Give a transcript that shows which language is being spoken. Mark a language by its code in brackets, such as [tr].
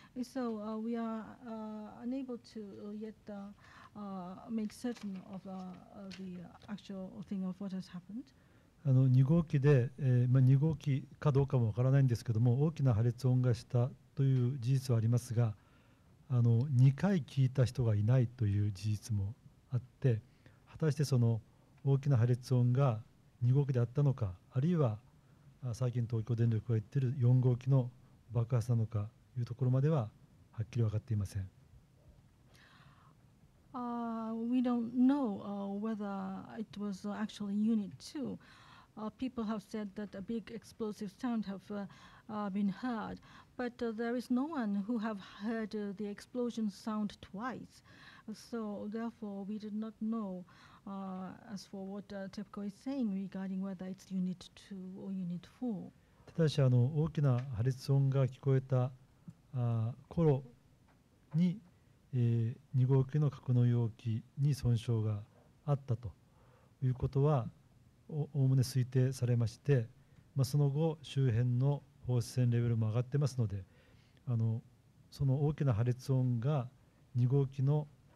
[en] So we are unable to yet make certain of the actual thing of what has happened. [ja] 2号機で、まあ、2号機かどうかもわからないんですけども、大きな破裂音がしたという事実はありますが、2回聞いた人がいないという事実もあって、果たしてその大きな破裂音が2号機であったのか、あるいは最近東京電力が言っている4号機の爆発なのかというところまでははっきり分かっていません。 [en] We don't know whether it was actually unit 2. People have said that a big explosive sound have been heard, but there is no one who have heard the explosion sound twice. So therefore, we did not know as for what TEPCO is saying regarding whether it's unit 2 or unit 4. [ja] ただし、大きな破裂音が聞こえた頃に、2号機の格納容器に損傷があったということは概ね推定されまして、まあ、その後周辺の放射線レベルも上がってますので、その大きな破裂音が2号機の